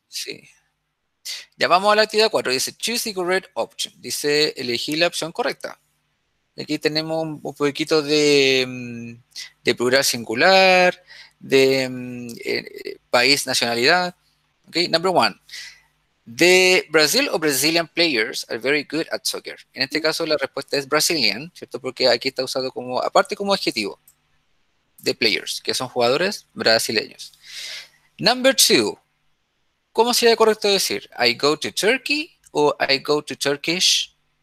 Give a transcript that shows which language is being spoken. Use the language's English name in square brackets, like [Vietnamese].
[Spanish] Sí. Ya vamos a la actividad 4. Dice, [English] choose the correct option. [Spanish] Dice, elegí la opción correcta. Aquí tenemos un poquito de plural singular, de país, nacionalidad. [English] Ok, number one. The Brazil or Brazilian players are very good at soccer. [Spanish] En este caso la respuesta es Brazilian, ¿cierto? Porque aquí está usado como, aparte como adjetivo, [English] the players, [Spanish] que son jugadores brasileños. [English] Number two, [Spanish] ¿cómo sería correcto decir? [English] I go to Turkey [Spanish] o [English] I go to Turkish?